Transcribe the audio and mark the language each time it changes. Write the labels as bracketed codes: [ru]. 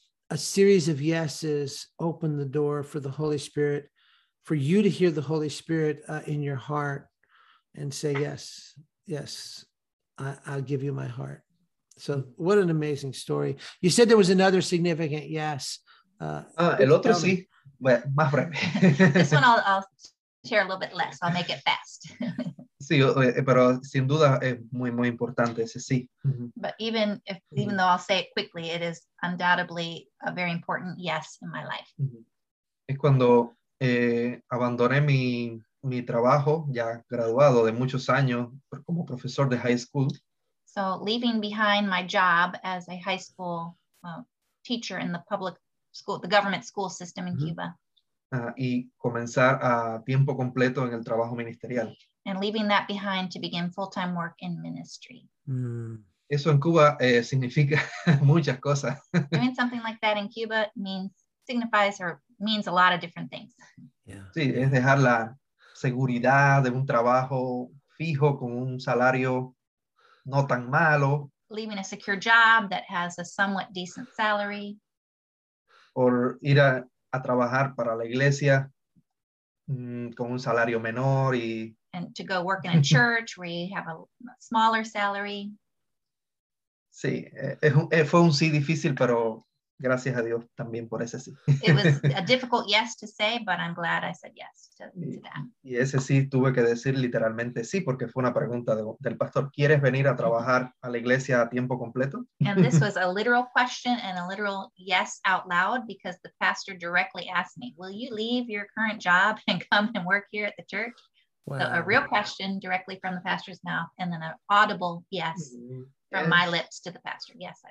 [en] A series of yeses opened the door for the Holy Spirit, for you to hear the Holy Spirit in your heart and say, yes, I'll give you my heart. So what an amazing story. You said there was another significant yes. [es] El otro sí, bueno, más breve. [en] This one I'll share a little bit less. I'll make it fast. [es] Sí, pero sin duda es muy, muy importante ese sí. [en] But even though I'll say it quickly, it is undoubtedly a very important yes in my life. [es] Es cuando abandoné mi trabajo ya graduado de muchos años como profesor de high school. [en] So leaving behind my job as a high school teacher in the public school, the government school system in Cuba. [es] Y comenzar a tiempo completo en el trabajo ministerial. [en] And leaving that behind to begin full-time work in ministry. [es] Eso en Cuba significa muchas cosas. [en] Doing something like that in Cuba means a lot of different things. Yeah. [es] Sí, es dejar la seguridad de un trabajo fijo con un salario no tan malo. [en] Leaving a secure job that has a somewhat decent salary. [es] Or ir a trabajar para la iglesia con un salario menor y... [en] And to go work in a church where you have a smaller salary. [es] Sí, fue un sí difícil, pero gracias a Dios también por ese sí. [en] It was a difficult yes to say, but I'm glad I said yes to that. [es] Y ese sí tuve que decir literalmente sí, porque fue una pregunta del pastor. ¿Quieres venir a trabajar a la iglesia a tiempo completo? [en] And this was a literal question and a literal yes out loud, because the pastor directly asked me, will you leave your current job and come and work here at the church? Wow. So a real question directly from the pastor's mouth, and then an audible yes. From my lips to the pastor. Yes, I